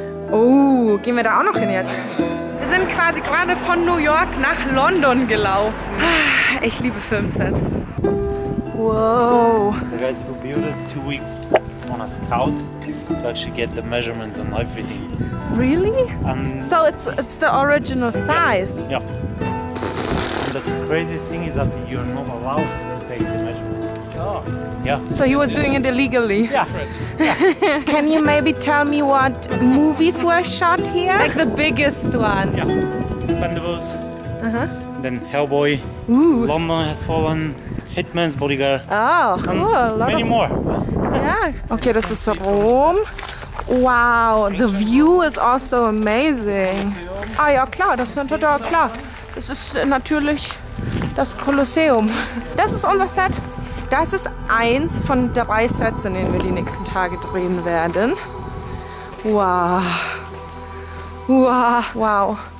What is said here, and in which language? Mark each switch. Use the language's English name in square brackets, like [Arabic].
[German] Oh, gehen wir da auch noch hin jetzt? Wir sind quasi gerade von New York nach London gelaufen. Ich liebe Filmsets. Wow. [English] The guy who built it 2 weeks on a scout to actually get the measurements and everything. Really? So it's the original size? Yeah. And the craziest thing is that you're not allowed to take the measurements. Oh. Yeah. So he was doing it illegally? Yeah. Can you maybe tell me what movies were shot here? Like the biggest one? Yeah. Expendables. Then Hellboy. Ooh. London Has Fallen. Hitman's Bodyguard. Oh, cool. And many more. Yeah. Okay, this is Rome. Wow, the view is also amazing. [German] Ah ja, klar, das ist total klar. Das ist natürlich das Kolosseum. Das ist unser Set. Das ist eins von 3 Sets, in denen wir die nächsten Tage drehen werden. Wow. Wow. Wow.